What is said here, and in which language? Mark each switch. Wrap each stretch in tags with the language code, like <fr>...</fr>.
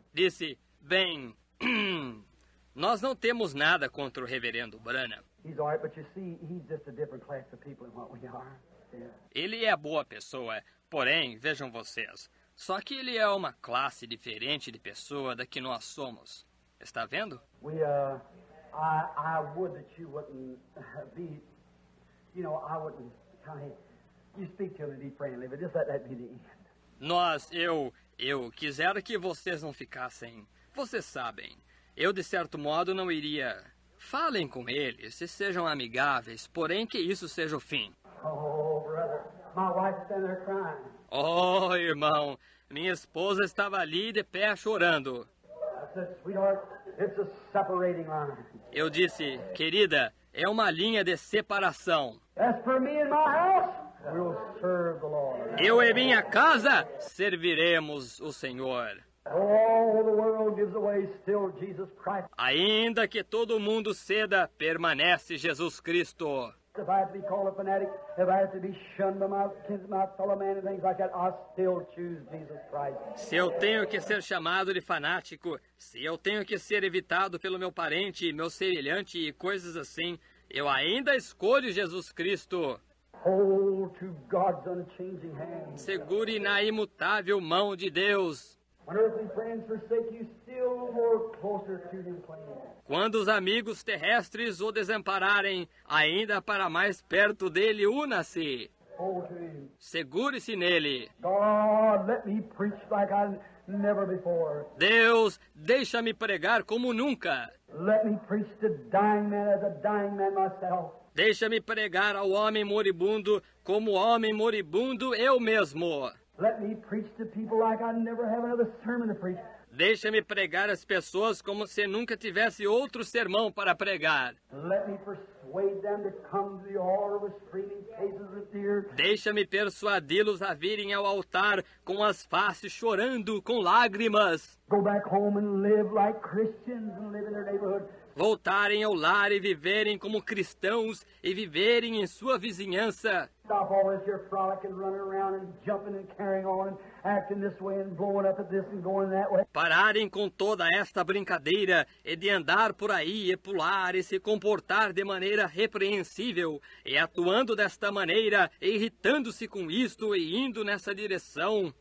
<pt>Disse, bem, nós não temos nada contra o Reverendo Branham.</pt> <en>He's all right, but you see, he's just a different class of people than what we are. Yeah.</en> <pt>Ele é boa pessoa, porém, vejam vocês, só que ele é uma classe diferente de pessoa da que nós somos. Está vendo?</pt> <en>I would that you wouldn't be, you know, I wouldn't kind of... You speak to him and be friendly, but just let that be the end.</en> <pt>Nós, eu quisera que vocês não ficassem. Vocês sabem, eu de certo modo não iria. Falem com ele, se sejam amigáveis, porém que isso seja o fim.</pt> <en>Oh, brother, my wife is standing there crying.</en> <pt>Oh, irmão, minha esposa estava ali de pé chorando.</pt> <en>I said, sweetheart, it's a separating line.</en> <pt>Eu disse, querida, é uma linha de separação.</pt> <en>As for me and my house. We'll serve the Lord.</en> <pt>Eu e minha casa serviremos o Senhor.</pt> <en>All the world gives away, still Jesus Christ.</en> <pt>Ainda que todo mundo ceda, permanece Jesus Cristo.</pt> <en>If I have to be called a fanatic, if I have to be shunned by my fellow man and things like that, I still choose Jesus Christ.</en> <pt>Se eu tenho que ser chamado de fanático, se eu tenho que ser evitado pelo meu parente, meu semelhante e coisas assim, eu ainda escolho Jesus Cristo.</pt> <en>Hold to God's unchanging hand.</en> <pt>Segure na imutável mão de Deus.</pt> <en>When earthly friends forsake you, still more closer to Him.</en> <pt>Quando os amigos terrestres o desampararem, ainda para mais perto dele, una-se.</pt> <en>Hold to Him.</en> <pt>Segure-se nele.</pt> <en>God, let me preach like I never before.</en> <pt>Deus, deixa-me pregar como nunca.</pt> <en>Let me preach to dying man as a dying man myself.</en> <pt>Deixa-me pregar ao homem moribundo como homem moribundo eu mesmo.</pt> <en>Let me preach to people like I never have another sermon to preach.</en> <pt>Deixa-me pregar às pessoas como se nunca tivesse outro sermão para pregar.</pt> <en>Let me persuade them to come to the altar with streaming faces of tears.</en> <pt>Deixa-me persuadi-los a virem ao altar com as faces chorando, com lágrimas.</pt> <en>Go back home and live like Christians and live in their neighborhood.</en> <pt>Voltarem ao lar e viverem como cristãos e viverem em sua vizinhança.</pt> <en>Stop all this here frolicking, running around and jumping and carrying on and acting this way and blowing up at this and going that way.</en> <pt>Pararem com toda esta brincadeira e de andar por aí e pular e se comportar de maneira repreensível e atuando desta maneira, irritando-se com isto e indo nessa direção.</pt>